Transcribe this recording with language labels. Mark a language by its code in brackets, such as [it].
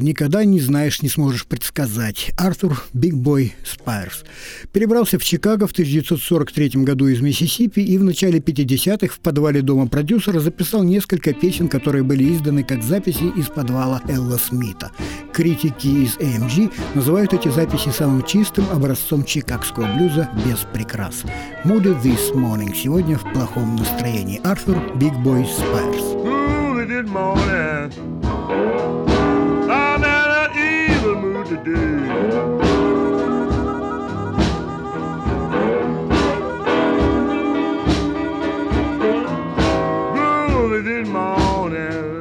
[ru] Никогда не знаешь, не сможешь предсказать. Артур Big Boy Spires. Перебрался в Чикаго в 1943 году из Миссисипи и в начале 50-х в подвале дома продюсера записал несколько песен, которые были изданы как записи из подвала Элла Смита. Критики из AMG называют эти записи самым чистым образцом чикагского блюза без прикрас. [en] Moody This Morning. [ru] Сегодня в плохом настроении. Артур Big Boy Spires. [en] I'm in an evil mood today. Gloomy this morning.